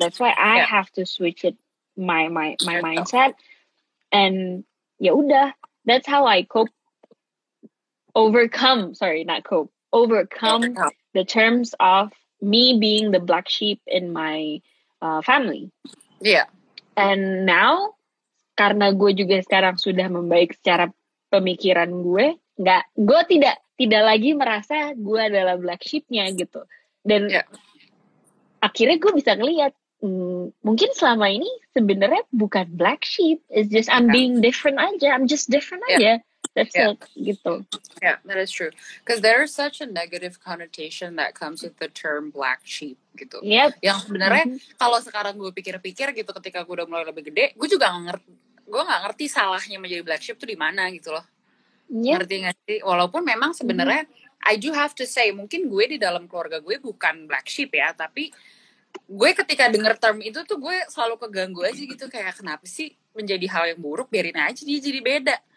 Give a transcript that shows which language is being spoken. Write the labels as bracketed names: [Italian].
[English] That's why I have to switch it, my mindset. And [Indonesian] ya udah, [English] that's how I cope, overcome the terms of me being the black sheep in my family. Yeah. And now, [Indonesian] karena gue juga sekarang sudah membaik secara pemikiran gue, gue tidak lagi merasa gue adalah black sheep-nya gitu. Dan akhirnya gue bisa ngeliat, mungkin selama ini sebenarnya bukan black sheep, [English] it's just I'm being different aja, I'm just different [Indonesian] aja. [English] That's it, gitu. Yeah, that is true. Because there is such a negative connotation that comes with the term black sheep, gitu. Yep. [Indonesian] Yang sebenarnya, kalau sekarang gue pikir-pikir gitu, ketika gue udah mulai lebih gede, gue juga gak ngerti salahnya menjadi black sheep tuh di mana gitu loh. Ngerti gak sih? Walaupun memang sebenarnya, [English] I do have to say, [Indonesian] mungkin gue di dalam keluarga gue bukan black sheep ya, tapi gue ketika denger term itu tuh gue selalu keganggu aja gitu, kayak kenapa sih menjadi hal yang buruk, biarin aja dia jadi beda.